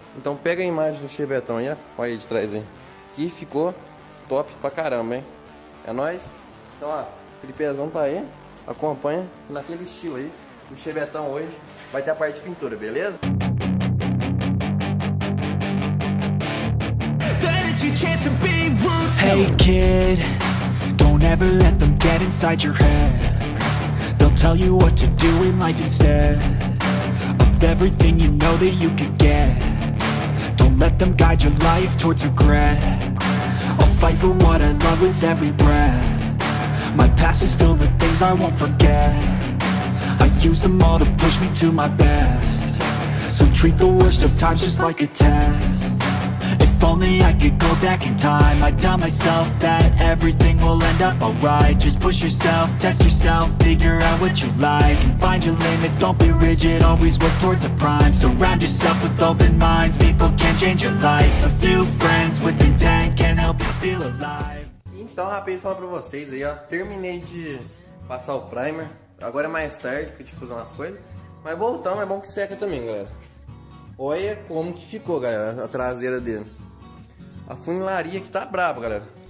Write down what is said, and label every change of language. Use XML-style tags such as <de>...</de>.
<pt>Então pega a imagem do Chevetão aí, ó. Olha aí de trás aí. Que ficou top pra caramba, hein? É nóis? Então, ó, tripézão tá aí. Acompanha que naquele estilo aí. O Chevetão hoje vai ter a parte de pintura, beleza?</pt> <en>Hey kid, don't ever let them get inside your head. They'll tell you what to do in life instead of everything you know that you could get. Don't let them guide your life towards regret. I'll fight for what I love with every breath. My past is filled with things I won't forget. I use them all to push me to my best. So treat the worst of times just like a test. If only I could go back in time, I'd tell myself that everything will end up alright. Just push yourself, test yourself, figure out what you like, and find your limits, don't be rigid, always work towards a prime. Surround yourself with open minds, people can change your life. A few friends with intent can help you feel alive.</en> <pt>Então, rapaz, falar pra vocês aí, ó. Terminei de passar o primer. Agora é mais tarde, porque eu tive que fazer umas coisas. Mas voltando, é bom que seca também, galera. Olha como que ficou, galera, a traseira dele. A funilaria aqui tá brava, galera.</pt>